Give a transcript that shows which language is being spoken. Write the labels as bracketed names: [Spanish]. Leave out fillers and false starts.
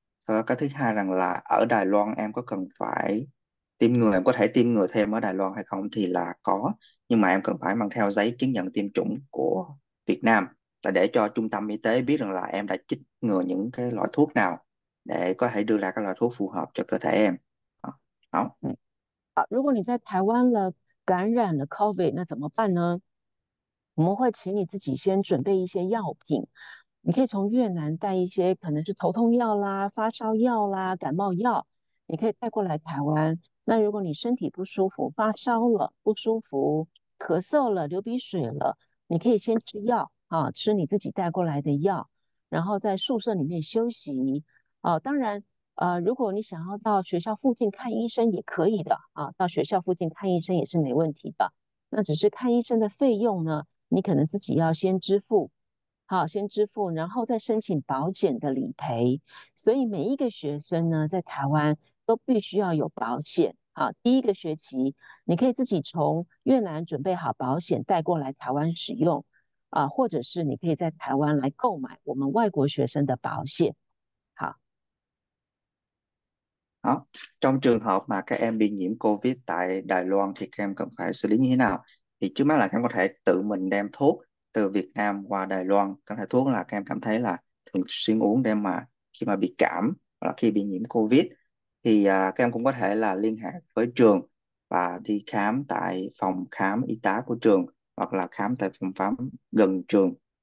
[Vietnamese] Sau đó cái thứ hai rằng là ở Đài Loan em có cần phải tiêm ngừa, em có thể tiêm ngừa thêm ở Đài Loan hay không thì là có, nhưng mà em cần phải mang theo giấy chứng nhận tiêm chủng của Việt Nam là để cho trung tâm y tế biết rằng là em đã chích ngừa những cái loại thuốc nào để có thể đưa ra các loại thuốc phù hợp cho cơ thể em. Đó. [Chinese] 啊，如果你在台湾了，感染了 COVID，那怎么办呢？我们会请你自己先准备一些药品，你可以从越南带一些，可能是头痛药啦、发烧药啦、感冒药，你可以带过来台湾。那如果你身体不舒服，发烧了、不舒服、咳嗽了、流鼻水了，你可以先吃药啊，吃你自己带过来的药，然后在宿舍里面休息。哦，当然。如果你想要到学校附近看医生也可以的啊，到学校附近看医生也是没问题的。那只是看医生的费用呢，你可能自己要先支付，好，先支付，然后再申请保险的理赔。所以每一个学生呢，在台湾都必须要有保险。好，第一个学期你可以自己从越南准备好保险带过来台湾使用，或者是你可以在台湾来购买我们外国学生的保险。 [Vietnamese] Đó. Trong trường hợp mà các em bị nhiễm COVID tại Đài Loan thì các em cần phải xử lý như thế nào? Thì trước mắt là các em có thể tự mình đem thuốc từ Việt Nam qua Đài Loan. Các thể thuốc là các em cảm thấy là thường xuyên uống để mà khi mà bị cảm hoặc là khi bị nhiễm COVID thì các em cũng có thể là liên hệ với trường và đi khám tại phòng khám y tá của trường hoặc là khám tại phòng khám gần trường.